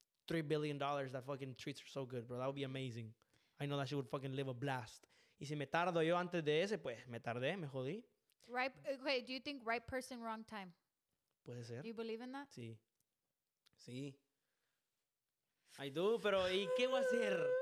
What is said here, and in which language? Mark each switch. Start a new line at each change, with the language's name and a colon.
English: $3 billion that fucking treats her so good, bro. That would be amazing. I know that she would fucking live a blast.
Spanish: Y si me tardo yo antes de ese, pues, me tardé, me jodí.
English: Right, okay, do you think right person, wrong time?
Spanish: Puede ser.
English: Do you believe in that?
Spanish: Sí. Sí.
English: I do,
Spanish: pero ¿y qué voy a hacer?